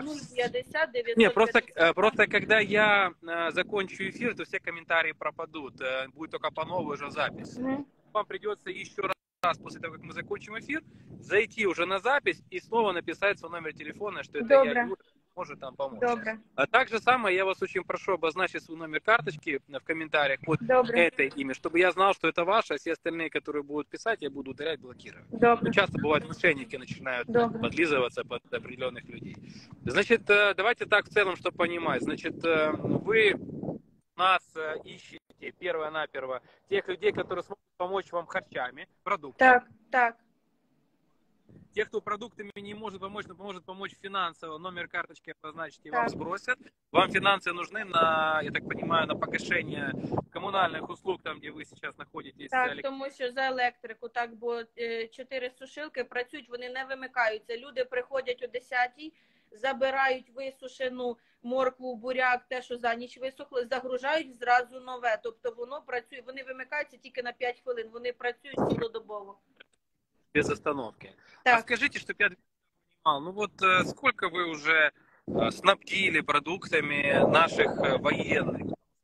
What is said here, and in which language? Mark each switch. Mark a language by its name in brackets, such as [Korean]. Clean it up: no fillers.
[Ukrainian] 0,50, 952. Ні, просто коли я закончу ефір, то всі коментарі пропадуть. Буде тільки по новій вже запис. Угу. Вам придеться ще раз, після того, як ми закінчимо ефір, зайти вже на запис і знову написати свій номер телефону, що це я. [Russian] Может там помочь. [Ukrainian] Добре. [Russian] А так же самое, я вас очень прошу обозначить свой номер карточки в комментариях под этой имя, чтобы я знал, что это ваше, а все остальные, которые будут писать, я буду удалять, блокировать. [Ukrainian] Добре. [Russian] Часто бывают мошенники начинают подлизываться под определенных людей. Значит, давайте так в целом, чтобы понимать. Значит, вы нас ищете первое-наперво тех людей, которые смогут помочь вам харчами, продуктами. [Ukrainian] Так, так. [Russian] Те, кто продуктами не может помочь, но поможет помочь финансово, номер карточки обозначите, вам сбросят. Вам финансы нужны на, я так понимаю, на погашение коммунальных услуг, там, где вы сейчас находитесь. [Ukrainian] Так, [Russian] потому что за электрику, [Ukrainian] так, бо 4 сушилки працюють, вони не вимикаються. Люди приходять о 10-й, забирають висушену моркву, буряк, те, що за ніч висохло, загружають зразу нове. Тобто воно працює, вони вимикаються тільки на 5 хвилин, вони працюють цілодобово. [Russian] Без остановки. [Ukrainian] Так. [Russian] А скажите, чтобы я понимал, ну вот сколько вы уже снабдили продуктами наших военных?